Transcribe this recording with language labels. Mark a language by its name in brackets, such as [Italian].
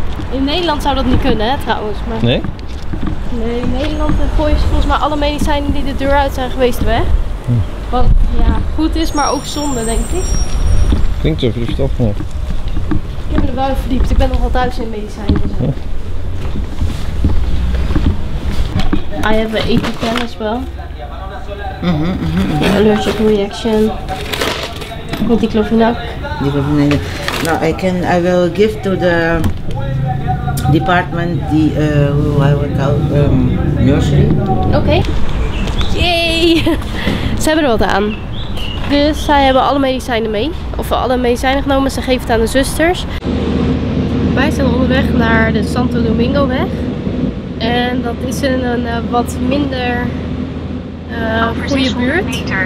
[Dutch] In Nederland zou dat niet kunnen, hè, trouwens. Maar... Nee? Nee, in Nederland gooien ze volgens mij alle medicijnen die de deur uit zijn geweest weg. Wat ja, goed is, maar ook zonde, denk ik. Klinkt zo verstof, hè. Ik heb me er wel verdiept, ik ben nogal thuis in medicijnen. [English] Ja. I have an EpiPen as well. Allergic reaction. [Dutch] Met die clofinac. [English] Nou, I will give to the department the nursery. [Dutch] Oké. Okay. Yay! Ze hebben er wat aan. Dus zij hebben alle medicijnen mee. Of alle medicijnen genomen, ze geven het aan de zusters. Wij zijn onderweg naar de Santo Domingo weg. En dat is in een wat minder goede buurt.